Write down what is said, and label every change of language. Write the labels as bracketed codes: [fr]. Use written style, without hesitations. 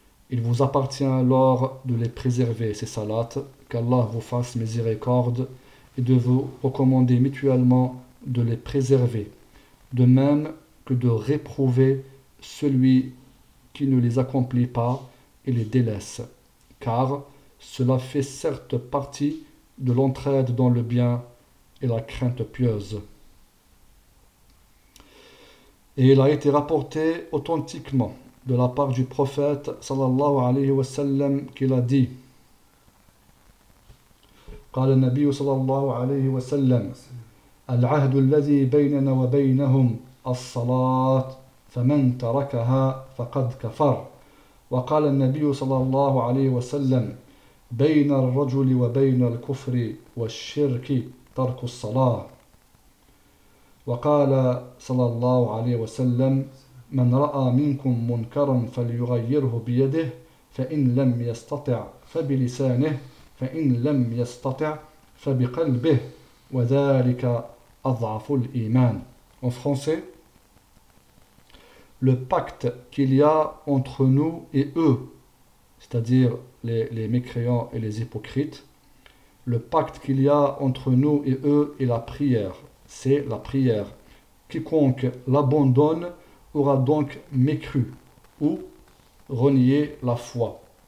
[fr] Il vous appartient alors de les préserver, ces salates, qu'Allah vous fasse miséricorde, et de vous recommander mutuellement de les préserver, de même que de réprouver celui qui ne les accomplit pas et les délaisse, car cela fait certes partie de l'entraide dans le bien et la crainte pieuse. Et il a été rapporté authentiquement de la part du prophète sallallahu alayhi wa sallam qu'il a dit. [ar] قال النبي صلى الله عليه وسلم العهد الذي بيننا وبينهم الصلاة فمن تركها فقد كفر وقال النبي صلى الله عليه وسلم بين الرجل وبين الكفر والشرك ترك الصلاة وقال صلى الله عليه وسلم من رأى منكم منكرا فليغيره بيده فإن لم يستطع فبلسانه فإن لم يستطع فبقلبه وذلك أضعف الإيمان. [fr] En français, le pacte qu'il y a entre nous et eux, c'est-à-dire les mécréants et les hypocrites, le pacte qu'il y a entre nous et eux est la prière. C'est la prière. Quiconque l'abandonne aura donc mécru ou renié la foi.